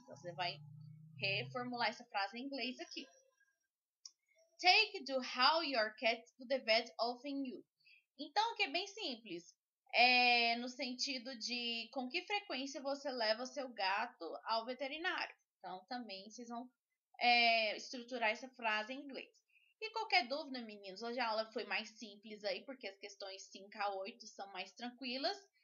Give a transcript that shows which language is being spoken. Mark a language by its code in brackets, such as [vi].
[pt] Então, você vai reformular essa frase em inglês aqui. [en] Take to how your cat to the vet often you. [pt] Então, o que é bem simples? É no sentido de com que frequência você leva seu gato ao veterinário. Então, também vocês vão estruturar essa frase em inglês. E qualquer dúvida, meninos, hoje a aula foi mais simples aí, porque as questões 5 a 8 são mais tranquilas.